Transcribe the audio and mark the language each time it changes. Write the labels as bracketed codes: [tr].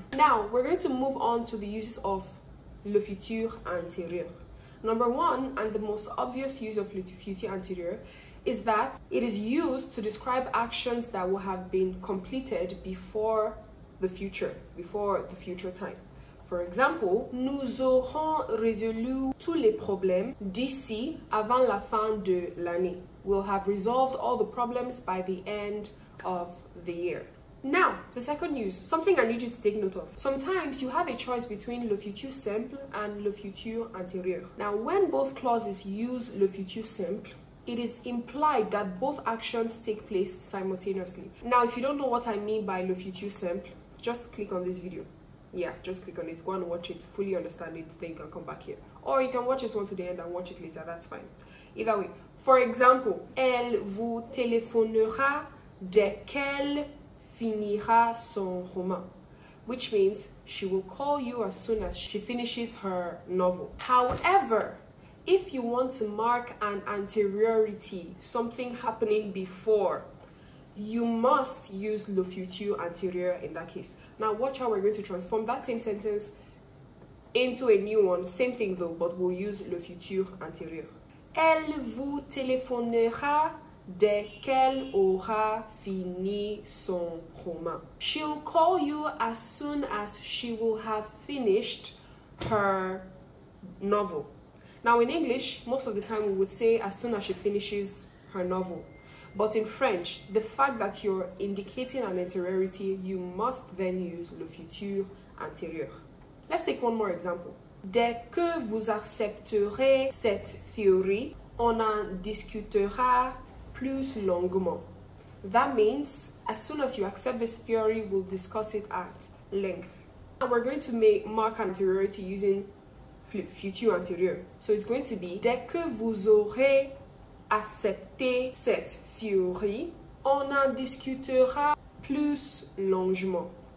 [en] Now, we're going to move on to the uses of le futur antérieur. Number one, and the most obvious use of le futur antérieur, is that it is used to describe actions that will have been completed before the future, before the future time. For example, [fr] nous aurons résolu tous les problèmes d'ici avant la fin de l'année. [en] We'll have resolved all the problems by the end of the year. Now, the second use, something I need you to take note of. Sometimes you have a choice between le futur simple and le futur antérieur. Now, when both clauses use le futur simple, it is implied that both actions take place simultaneously. Now, if you don't know what I mean by le futur simple, just click on this video. Yeah, just click on it, go and watch it, fully understand it, then you can come back here. Or you can watch this one to the end and watch it later, that's fine. Either way, for example, [fr] elle vous téléphonera dès qu'elle finira son roman. [en] Which means she will call you as soon as she finishes her novel. However, if you want to mark an anteriority, something happening before, you must use le futur antérieur in that case. Now watch how we're going to transform that same sentence into a new one. Same thing though, but we'll use le futur antérieur. [fr] Elle vous téléphonera dès qu'elle aura fini son roman. [en] She'll call you as soon as she will have finished her novel. Now in English, most of the time we would say as soon as she finishes her novel. But in French, the fact that you're indicating an anteriority, you must then use le futur antérieur. Let's take one more example. [fr] Dès que vous accepterez cette théorie, on en discutera plus longuement. [en] That means, as soon as you accept this theory, we'll discuss it at length. And we're going to mark anteriority using futur antérieur. So it's going to be, [fr] dès que vous aurez accepter cette théorie, on en discutera plus longuement.